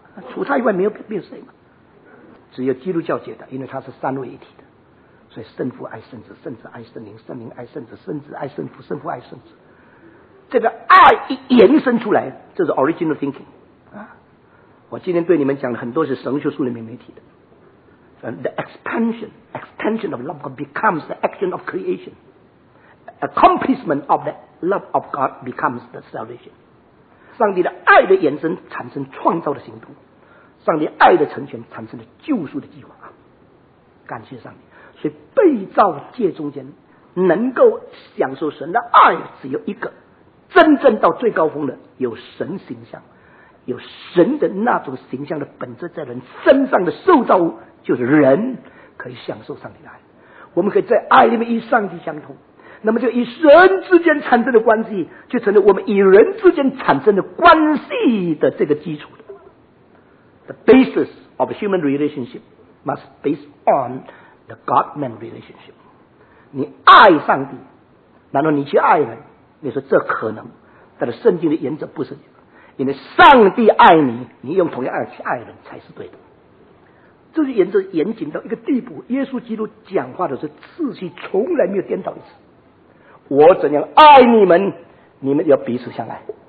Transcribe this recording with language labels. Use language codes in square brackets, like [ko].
[zh] 除他以外没有谁嘛？只有基督教界的，因为他是三位一体的，所以圣父爱圣子，圣子爱圣灵，圣灵爱圣子，圣子爱圣父，圣父爱圣子。这个爱一延伸出来，这是 original thinking 啊！我今天对你们讲的很多是神学书里面没提的。 [en] The expansion of love God becomes the action of creation. Accomplishment of the love of God becomes the salvation. [zh] 上帝的爱的延伸产生创造的行动，上帝爱的成全产生了救赎的计划。感谢上帝，所以被造界中间能够享受神的爱只有一个，真正到最高峰的有神形象，有神的那种形象的本质在人身上的受造物，就是人可以享受上帝的爱，我们可以在爱里面与上帝相通，那么就与神之间产生的关系就成了我们与人之间产生的关系的这个基础的。 [en] The basis of human relationship must based on the God-man relationship. [zh] 你爱上帝，难道你去爱人，你说这可能？但是圣经的原则不是，因为上帝爱你，你用同样爱去爱人才是对的。这是原则严谨到一个地步，耶稣基督讲话的时候次序从来没有颠倒一次，我怎样爱你们，你们要彼此相爱。